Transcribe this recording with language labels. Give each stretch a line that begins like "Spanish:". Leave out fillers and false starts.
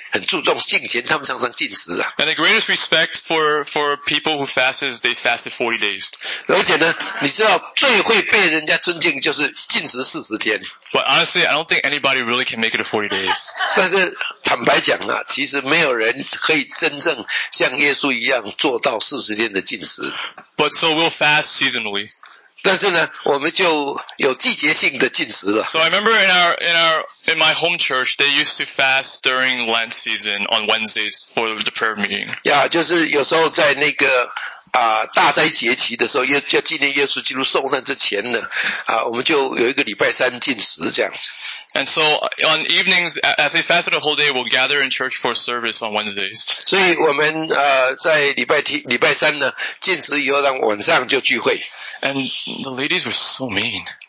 Chinese: 你知道吗？我从小是在韩国教会长大，韩国教会培养我长大的。那韩国教会很注重敬虔，他们常常禁食啊。
English: And the greatest respect for people who fast is they fasted 40 days.
Chinese: 而且呢，你知道最会被人家尊敬就是禁食40天。But
English: honestly, I don't think anybody really can make it to 40 days.
Chinese: 但是坦白讲啊，其实没有人可以真正像耶稣一样做到40天的禁食。But
English: so we'll fast seasonally.
Chinese: 但是呢，我们就有季节性的禁食了。
English: So I remember in my home church, they used to fast during Lent season on Wednesdays for the prayer meeting.
Chinese: Yeah, 就是有时候在那个大灾节期的时候，要纪念耶稣基督受难之前呢，我们就有一个礼拜三禁食这样子。
English: And so on evenings, as they fasted a whole day, we'll gather in church for service on Wednesdays.
Chinese: 所以我们在礼拜三呢禁食以后，让晚上就聚会。
English: And the ladies were so mean.